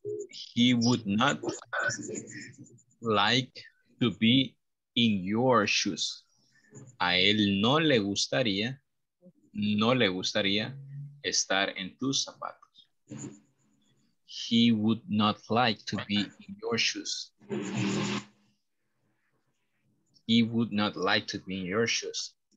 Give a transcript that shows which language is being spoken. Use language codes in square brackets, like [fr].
[en] He would not like to be in your shoes. [es] A él no le gustaría estar en tus zapatos. [en] He would not like to be in your shoes. He would not like to be in your shoes.